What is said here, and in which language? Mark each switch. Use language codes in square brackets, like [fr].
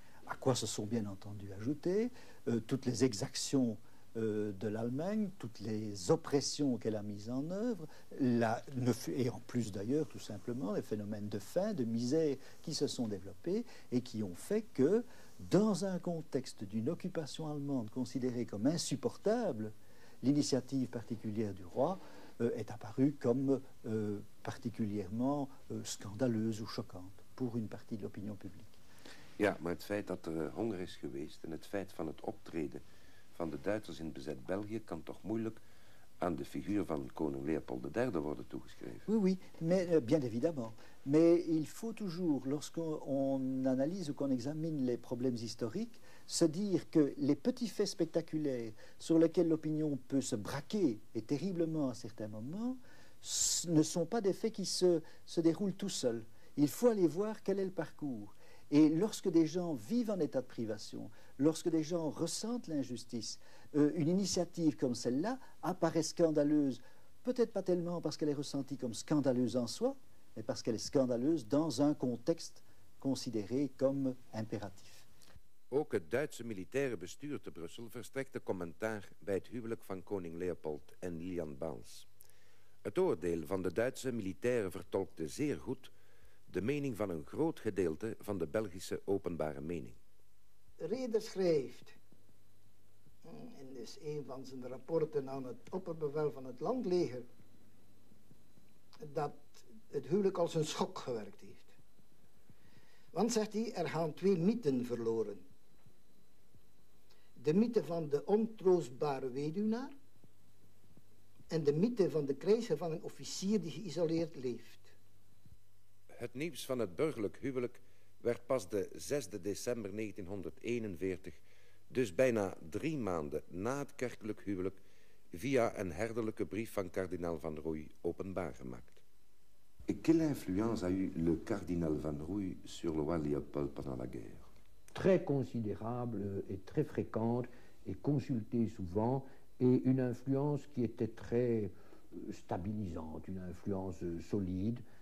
[fr] À quoi se sont bien entendu ajoutées toutes les exactions de l'Allemagne, toutes les oppressions qu'elle a mises en œuvre, et en plus d'ailleurs, tout simplement, les phénomènes de faim, de misère qui se sont développés et qui ont fait que, dans un contexte d'une occupation allemande considérée comme insupportable, l'initiative particulière du roi est apparue comme particulièrement scandaleuse ou choquante pour une partie de l'opinion publique. [nl] Ja, maar het feit dat er honger is geweest en het feit van het optreden van de Duitsers in bezet België kan toch moeilijk aan de figuur van koning Leopold III worden toegeschreven. [fr] Oui, oui, mais bien évidemment. Mais il faut toujours, lorsqu'on analyse ou qu'on examine les problèmes historiques, se dire que les petits faits spectaculaires sur lesquels l'opinion peut se braquer, et terriblement à certains moments, ne sont pas des faits qui se déroulent tout seuls. Il faut aller voir quel est le parcours. Et lorsque des gens vivent en état de privation, lorsque des gens ressentent l'injustice, une initiative comme celle-là apparaît scandaleuse, peut-être pas tellement parce qu'elle est ressentie comme scandaleuse en soi, mais parce qu'elle est scandaleuse dans un contexte considéré comme impératif. [nl] Ook het Duitse militaire bestuur te Brussel verstrekte commentaar bij het huwelijk van koning Leopold en Lilian Baans. Het oordeel van de Duitse militairen vertolkte zeer goed de mening van een groot gedeelte van de Belgische openbare mening. Reeder schrijft in een van zijn rapporten aan het opperbevel van het landleger dat het huwelijk als een schok gewerkt heeft. Want, zegt hij, er gaan twee mythen verloren. De mythe van de ontroostbare weduwnaar en de mythe van de krijgsgevangen officier die geïsoleerd leeft. Het nieuws van het burgerlijk huwelijk werd pas de 6 december 1941, dus bijna 3 maanden na het kerkelijk huwelijk, via een herderlijke brief van kardinaal Van Rooij openbaar gemaakt. [fr] Quelle influence a eu le cardinal Van Rooij sur le roi Léopold pendant la guerre? Très considérable et très fréquente et consultée souvent et une influence qui était très stabilisante, une influence solide.